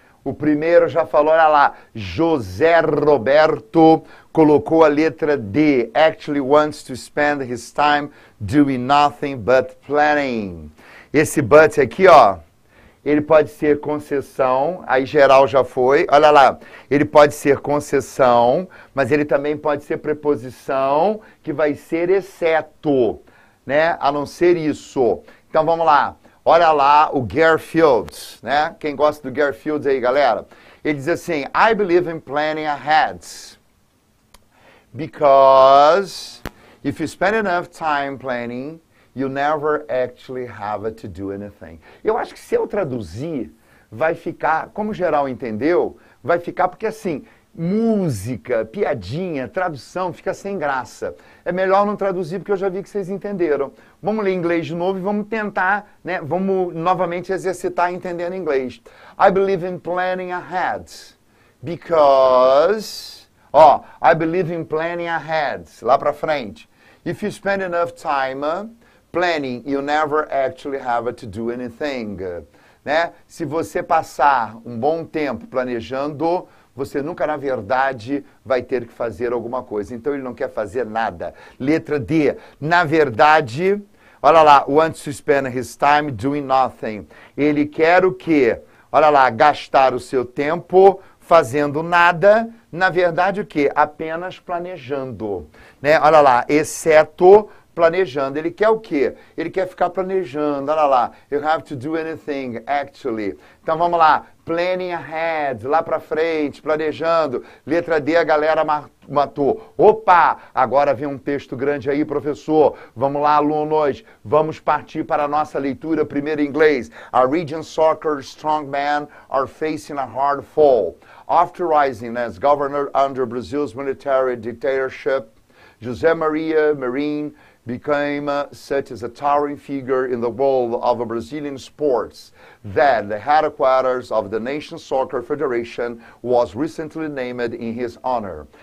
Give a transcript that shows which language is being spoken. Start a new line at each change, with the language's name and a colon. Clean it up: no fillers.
Portuguese: O primeiro já falou, olha lá, José Roberto colocou a letra D.
English: Actually wants to spend his time doing nothing but planning.
Portuguese: Esse but aqui, ó, ele pode ser concessão, aí geral já foi. Olha lá, ele pode ser concessão, mas ele também pode ser preposição, que vai ser exceto, né? A não ser isso. Então vamos lá. Olha lá o Garfield, né? Quem gosta do Garfield aí, galera? Ele diz assim,
English: I believe in planning ahead. Because if you spend enough time planning, you never actually have to do anything.
Portuguese: Eu acho que se eu traduzir, vai ficar, como geral entendeu, vai ficar porque assim, música, piadinha, tradução, fica sem graça. É melhor não traduzir porque eu já vi que vocês entenderam. Vamos ler inglês de novo e vamos tentar, né? Vamos novamente exercitar entendendo inglês.
English: I believe in planning ahead. Because... ó, I believe in planning ahead.
Portuguese: Lá pra frente.
English: If you spend enough time planning, you never actually have to do anything.
Portuguese: Né? Se você passar um bom tempo planejando... você nunca, na verdade, vai ter que fazer alguma coisa. Então, ele não quer fazer nada. Letra D. Na verdade, olha lá,
English: wants to spend his time doing nothing.
Portuguese: Ele quer o quê? Olha lá, gastar o seu tempo fazendo nada. Na verdade, o quê? Apenas planejando. Né? Olha lá, exceto planejando. Ele quer o quê? Ele quer ficar planejando. Olha lá,
English: you have to do anything, actually.
Portuguese: Então, vamos lá.
English: Planning ahead,
Portuguese: lá pra frente, planejando. Letra D, a galera matou. Opa, agora vem um texto grande aí, professor. Vamos lá, alunos. Vamos partir para a nossa leitura, primeiro em inglês.
English: A region soccer strongman are facing a hard fall. After rising as governor under Brazil's military dictatorship, José Maria Marim became such as a towering figure in the world of Brazilian sports that the headquarters of the Nation Soccer Federation was recently named in his honor.